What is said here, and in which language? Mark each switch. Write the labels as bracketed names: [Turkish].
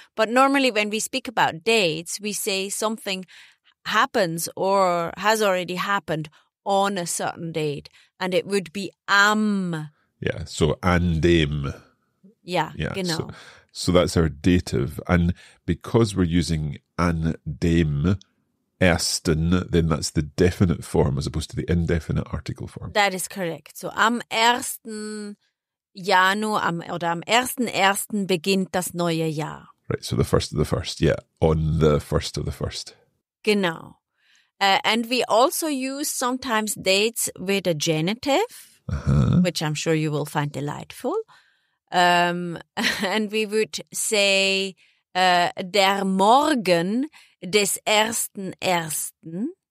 [English] But normally when we speak about dates, we say something happens or has already happened on a certain date, and it would be am. Yeah, so an dem. Yeah, yeah, genau. So that's our dative. And because we're using an dem ersten, then that's the definite form as opposed to the indefinite article form. That is correct. [German] So am ersten Januar, am ersten beginnt das neue Jahr. [English] Right, so the first of the first, yeah. On the first of the first. [German] Genau. [English] And we also use sometimes dates with a genitive, which I'm sure you will find delightful. And we would say, der Morgen des ersten ersten.